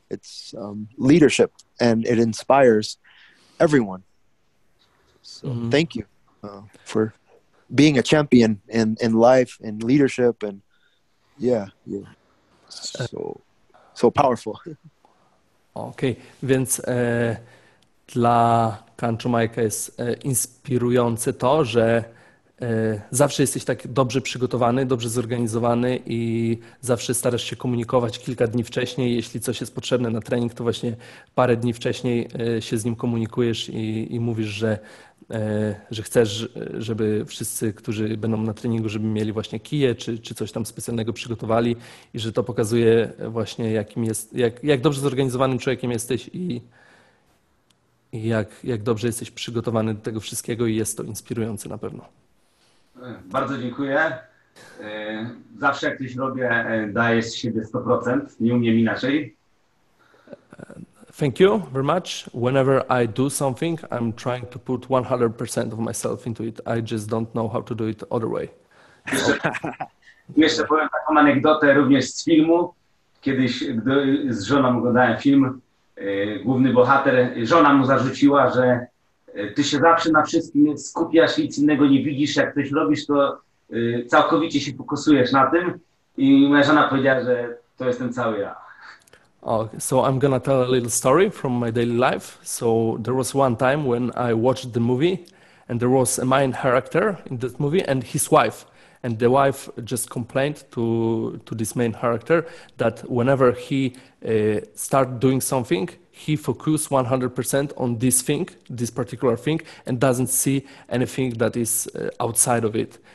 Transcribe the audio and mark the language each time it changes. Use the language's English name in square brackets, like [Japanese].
[English] It's leadership, and it inspires everyone. So thank you for being a champion in life and leadership, and so powerful. Okej, okay. [Polish] Więc dla Kanchu Majka jest inspirujące to, że zawsze jesteś tak dobrze przygotowany, dobrze zorganizowany i zawsze starasz się komunikować kilka dni wcześniej. Jeśli coś jest potrzebne na trening, to właśnie parę dni wcześniej się z nim komunikujesz i mówisz, że chcesz, żeby wszyscy, którzy będą na treningu, żeby mieli właśnie kije czy coś tam specjalnego przygotowali i że to pokazuje właśnie, jak dobrze zorganizowanym człowiekiem jesteś i jak dobrze jesteś przygotowany do tego wszystkiego i jest to inspirujące na pewno. Bardzo dziękuję. Zawsze jak coś robię, daję z siebie 100%, nie umiem inaczej. [English] Thank you very much. Whenever I do something, I'm trying to put 100% of myself into it. I just don't know how to do it other way. [Polish] Jeszcze powiem taką anegdotę również z filmu. Kiedyś, gdy z żoną oglądałem film, główny bohater, żona mu zarzuciła, że ty się zawsze na wszystkim skupiasz, nic innego nie widzisz, jak coś robisz, to całkowicie się fokusujesz na tym. I moja żona powiedziała, że to jestem cały ja. [English] Okay, so I'm gonna tell a little story from my daily life. So there was one time when I watched the movie and there was a main character in that movie and his wife. And the wife just complained to this main character that whenever he start doing something, he focuses 100% on this thing, this particular thing, and doesn't see anything that is outside of it.